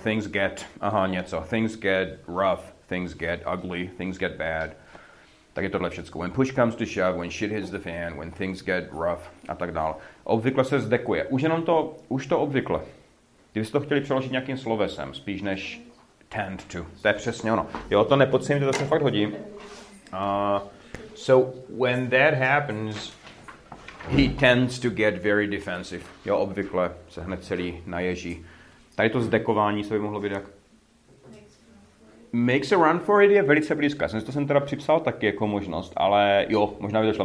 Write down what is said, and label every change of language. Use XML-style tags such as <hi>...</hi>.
<en>Things get, aha, něco. Things get rough, things get ugly, things get bad.</en> <cs>Tak je tohle všecko.</cs> <en>When push comes to shove, when shit hits the fan, when things get rough, a tak dál.</en> <cs>Obvykle se zdekuje. Už jenom to, už to obvykle. Kdybyste to chtěli přeložit nějakým slovesem, spíš než tend to. To je přesně ono. Jo, to nepodcením, to se fakt hodí.</cs> <en>So when that happens, he tends to get very defensive.</en> <cs>Jo, obvykle se hned celý naježí. Tady to zdekování se by mohlo být jak... Makes a run for it je velice blízká. Já jsem si to teda připsal taky jako možnost, ale jo, možná by to šlo.</cs>